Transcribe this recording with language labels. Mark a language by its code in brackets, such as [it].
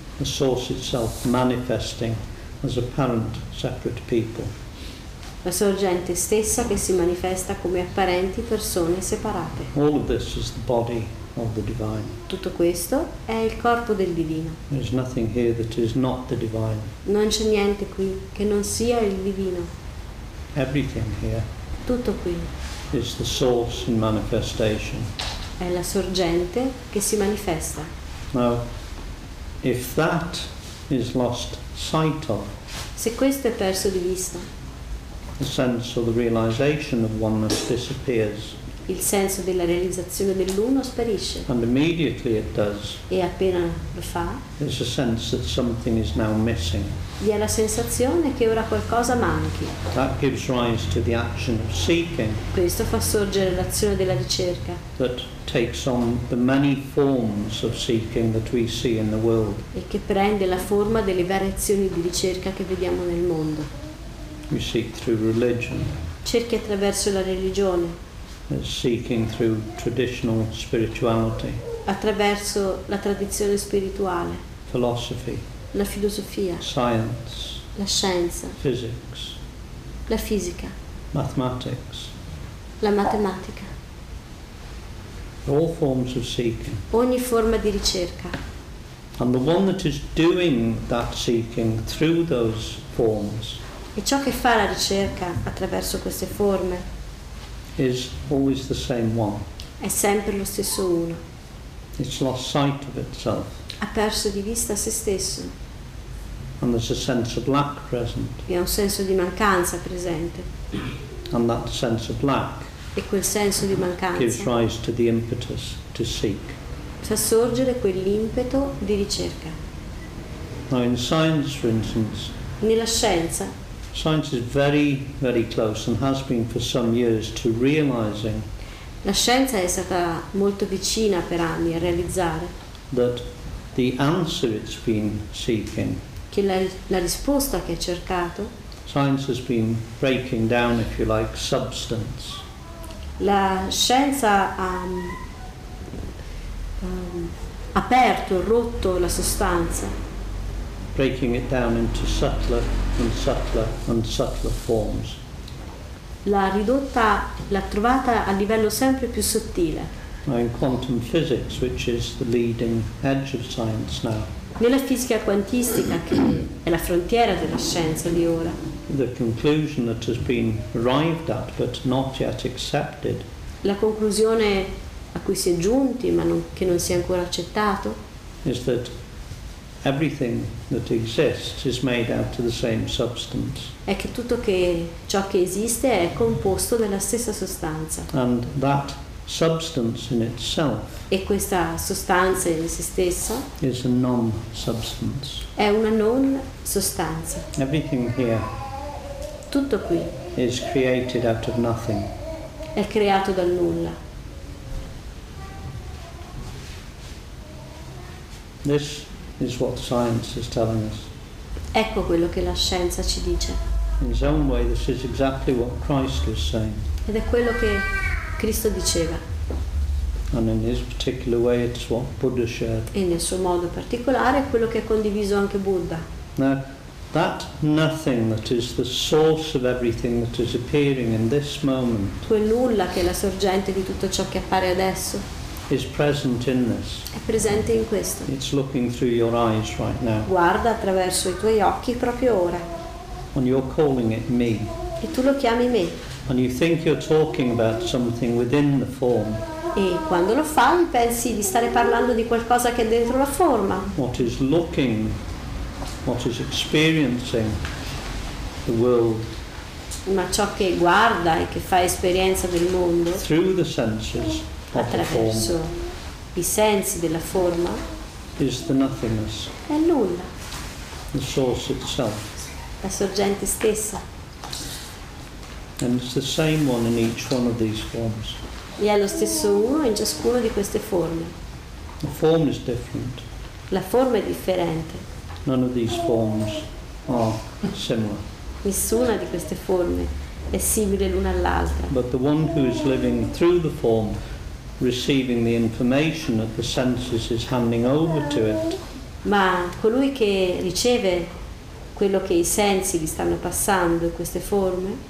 [en] The source itself manifesting as apparent separate people. [it] La sorgente stessa che si manifesta come apparenti persone separate. [en] All of this is the body of the divine. [it] Tutto questo è il corpo del divino. [en] There's nothing here that is not the divine. [it] Non c'è niente qui che non sia il divino. [en] Everything here. [it] Tutto qui. [en] Is the source in manifestation. [it] È la sorgente che si manifesta. [en] Now, if that is lost sight of, [it] se questo è perso di vista, [en] the sense or the realization of oneness disappears. [it] Il senso della realizzazione dell'uno sparisce. [en] And immediately it does. [it] E appena lo fa, [en] there's a sense that something is now missing. [it] Vi è la sensazione che ora qualcosa manchi. [en] That gives rise to the action of seeking. [it] Questo fa sorgere l'azione della ricerca. [en] That takes on the many forms of seeking that we see in the world. [it] E che prende la forma delle varie azioni di ricerca che vediamo nel mondo. [en] We seek through religion. [it] Cerchi attraverso la religione. [en] Seeking through traditional spirituality. [it] Attraverso la tradizione spirituale. [en] Philosophy. [it] La filosofia. [en] Science. [it] La scienza. [en] Physics. [it] La fisica. [en] Mathematics. [it] La matematica. [en] All forms of seeking. [it] Ogni forma di ricerca. [en] And the one that is doing that seeking through those forms. [it] E ciò che fa la ricerca attraverso queste forme. [en] Is always the same one. [it] È sempre lo stesso uno. [en] It's lost sight of itself. [it] Ha perso di vista se stesso. [en] And there's a sense of lack present. [it] E ha un senso di mancanza presente. [en] And that sense of lack. [it] E quel senso di mancanza. [en] Gives rise to the impetus to seek. [it] Fa sorgere quell'impeto di ricerca. [en] Now in science, for instance. [it] Nella scienza. [en] Science is very, very close and has been for some years to realizing. [it] La scienza è stata molto vicina per anni a realizzare. [en] That the answer it's been seeking. [it] Che la risposta che ha cercato. [en] Science has been breaking down, if you like, substance. [it] La scienza ha aperto, rotto la sostanza. [en] Breaking it down into subtler and subtler and subtler forms. [it] La ridotta, l'ha trovata a livello sempre più sottile. [en] Now in quantum physics, which is the leading edge of science now. [it] Nella fisica quantistica, che è la frontiera della scienza di ora. [en] The conclusion that has been arrived at, but not yet accepted. [it] La conclusione a cui si è giunti, ma non, che non si è ancora accettato. [en] Is that everything that exists is made out of the same substance. [it] È che tutto che ciò che esiste è composto della stessa sostanza. [en] And that substance in itself. [it] E questa sostanza in se stessa. [en] Is a non-substance. [it] È una non sostanza. [en] Everything here. [it] Tutto qui. [en] Is created out of nothing. [it] È creato dal nulla. [en] This. Is what science is telling us. [it] Ecco quello che la scienza ci dice. [en] In his own way, this is exactly what Christ was saying. [it] Ed è quello che Cristo diceva. [en] And in his particular way, it's what Buddha shared. [it] E nel suo modo particolare è quello che ha condiviso anche Buddha. [en] Now, that nothing that is the source of everything that is appearing in this moment. [it] Quel nulla che è la sorgente di tutto ciò che appare adesso. [en] Is present in this. [it] È presente in questo. [en] It's looking through your eyes right now. [it] Guarda attraverso i tuoi occhi proprio ora. [en] And you're calling it me. [it] E tu lo chiami me. [en] And you think you're talking about something within the form. [it] E quando lo fai pensi di stare parlando di qualcosa che è dentro la forma. [en] What is looking, what is experiencing the world. [it] Ma ciò che guarda e che fa esperienza del mondo. [en] Through the senses. [it] Attraverso i sensi della forma. [en] Is the nothingness. [it] È nulla. [en] The source itself. [it] La sorgente stessa. [en] And it's the same one in each one of these forms. [it] E è lo stesso uno in ciascuna di queste forme. [en] The form is different. [it] La forma è differente. [en] None of these forms are similar. [it] Nessuna di queste forme è simile l'una all'altra. [en] But the one who is living through the form, receiving the information that the senses is handing over to it. [it] Ma colui che riceve quello che i sensi gli stanno passando in queste forme.